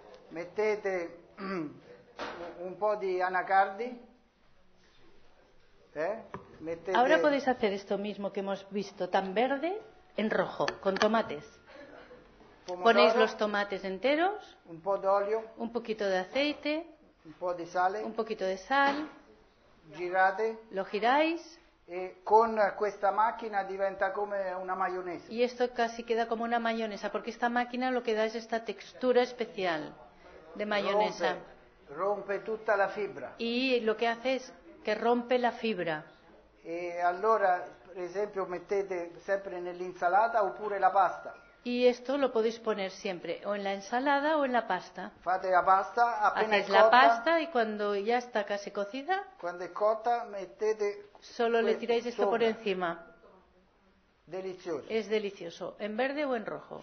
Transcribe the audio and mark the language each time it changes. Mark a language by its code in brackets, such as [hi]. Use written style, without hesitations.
[it] Mettete un po' di anacardi. Mettete. [es] Ahora podéis hacer esto mismo que hemos visto, tan verde en rojo, con tomates. [it] Pomodoro, [es] ponéis los tomates enteros. [it] Un po' d'olio. [es] Un poquito de aceite. [it] Un po' di sale. [es] Un poquito de sal. [it] Girate. [es] Lo giráis. [it] E con questa macchina diventa come una mayonesa. [es] Y esto casi queda como una mayonesa, porque esta máquina lo que da es esta textura especial de mayonesa. [it] Rompe tutta la fibra. [es] Y lo que hace es que rompe la fibra. [it] E allora, per esempio, mettete sempre nell'insalata oppure la pasta. [es] Y esto lo podéis poner siempre, o en la ensalada o en la pasta. [it] Fate la pasta, appena [es] hacéis [it] cotta, [es] la pasta y cuando ya está casi cocida, [it] cuando es cotta, mettete [es] solo le tiráis esto [it] sopra. [es] Por encima. Delicioso. Es delicioso, en verde o en rojo.